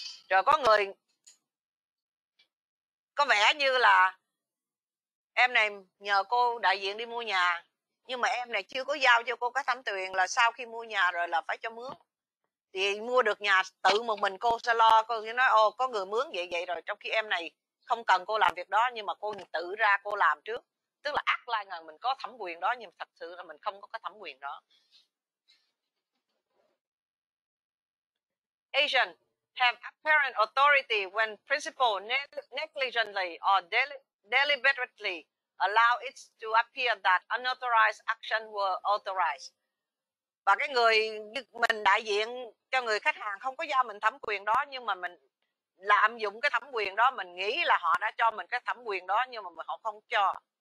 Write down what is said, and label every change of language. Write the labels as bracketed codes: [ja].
[vi] Rồi có người có vẻ như là em này nhờ cô đại diện đi mua nhà, nhưng mà em này chưa có giao cho cô cái thẩm quyền là sau khi mua nhà rồi là phải cho mướn. Thì mua được nhà tự một mình cô sẽ lo, cô sẽ nói ồ có người mướn vậy vậy rồi, trong khi em này không cần cô làm việc đó, nhưng mà cô tự ra cô làm trước. Tức là [en] act like [vi] mình có thẩm quyền đó, nhưng thật sự là mình không có cái thẩm quyền đó. [en] Asian have apparent authority when principal negligently or deliberately allow it to appear that unauthorized action were authorized. [vi] Và cái người mình đại diện cho người khách hàng không có giao mình thẩm quyền đó, nhưng mà mình lạm dụng cái thẩm quyền đó, mình nghĩ là họ đã cho mình cái thẩm quyền đó nhưng mà họ không cho.